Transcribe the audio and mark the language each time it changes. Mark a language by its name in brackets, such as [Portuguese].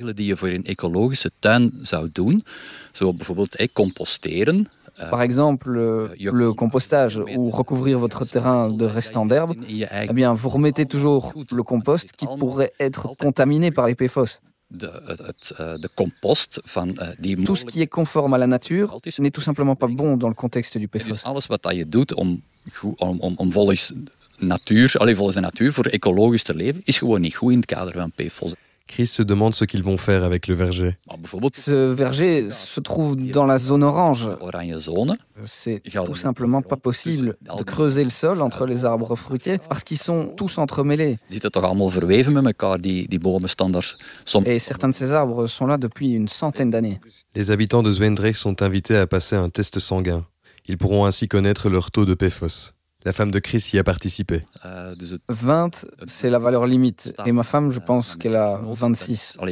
[Dutch] Regels die je voor een ecologische tuin zou doen, zoals bijvoorbeeld composteren. [French] Par exemple, le compostage ou recouvrir votre terrain de restants d'herbe, eh bien, vous remettez toujours le compost qui pourrait être contaminé par les PFOS. [Dutch] De compost van die [French] tout ce qui est conforme à la nature n'est tout simplement pas bon dans le contexte du PFOS. [Dutch] Alles wat je doet om volgens volgens de natuur voor ecologisch te leven is gewoon niet goed in het kader van PFOS. [French] Chris se demande ce qu'ils vont faire avec le verger. Ce verger se trouve dans la zone orange. [Dutch] Oranje zone. [French] C'est tout simplement pas possible de creuser le sol entre les arbres fruitiers parce qu'ils sont tous entremêlés. [Dutch] Ziet het toch allemaal verweven met elkaar, die bomen standaard. [French] Et certains de ces arbres sont là depuis une centaine d'années. Les habitants de Zwijndrecht sont invités à passer un test sanguin. Ils pourront ainsi connaître leur taux de PFOS. La femme de Chris y a participé. 20, c'est la valeur limite. Et ma femme, je pense qu'elle a 26.